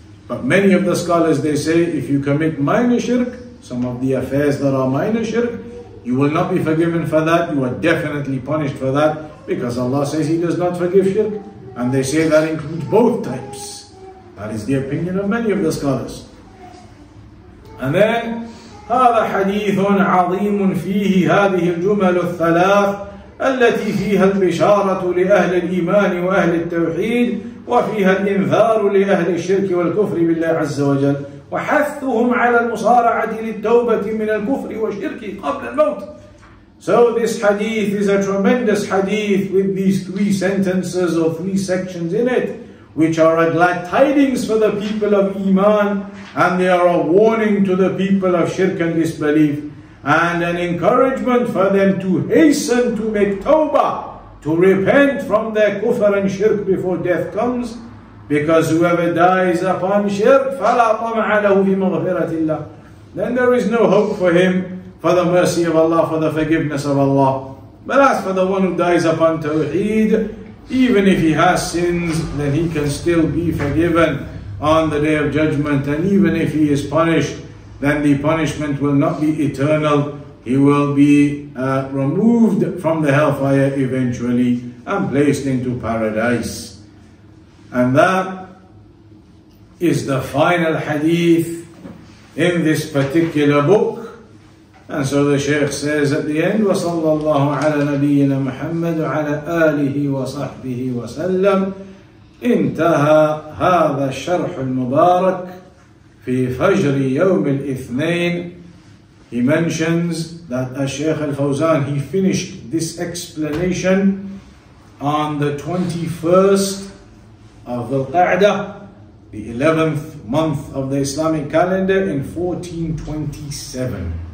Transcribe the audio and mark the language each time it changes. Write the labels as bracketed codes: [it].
[en] But many of the scholars, they say, if you commit minor shirk, some of the affairs that are minor shirk, you will not be forgiven for that. You are definitely punished for that, because Allah says He does not forgive shirk. And they say that includes both types. That is the opinion of many of the scholars. And then, [ar] هذا حديث عظيم فيه هذه الجمل الثلاث التي فيها البشارة لأهل الإيمان وأهل التوحيد وفيها الإنذار لأهل الشرك والكفر بالله عز وجل وحثهم على المصارعة للتوبة من الكفر والشرك قبل الموت. [en] So this hadith is a tremendous hadith with these three sentences or three sections in it, which are a glad tidings for the people of Iman, and they are a warning to the people of shirk and disbelief, and an encouragement for them to hasten to make tawbah, to repent from their kufr and shirk before death comes, because whoever dies upon shirk, [ar] فَلَا طَمَعَ لَهُ فِي مَغْفِرَةِ اللَّهِ, [en] then there is no hope for him, for the mercy of Allah, for the forgiveness of Allah. But as for the one who dies upon Tawheed, even if he has sins, then he can still be forgiven on the Day of Judgment. And even if he is punished, then the punishment will not be eternal. He will be removed from the hellfire eventually and placed into paradise. And that is the final hadith in this particular book. And so the Shaykh says at the end, [ar] وَصَلَّى اللَّهُ عَلَى نَبِيِّنَا مُحَمَّدُ عَلَى آلِهِ وَصَحْبِهِ وَسَلَّمْ انتهى هذا الشرح المبارك في فجر يوم الاثنين. [en] He mentions that Shaykh Al-Fawzan, he finished this explanation on the 21st of Dhul-Qa'dah, the 11th month of the Islamic calendar in 1427.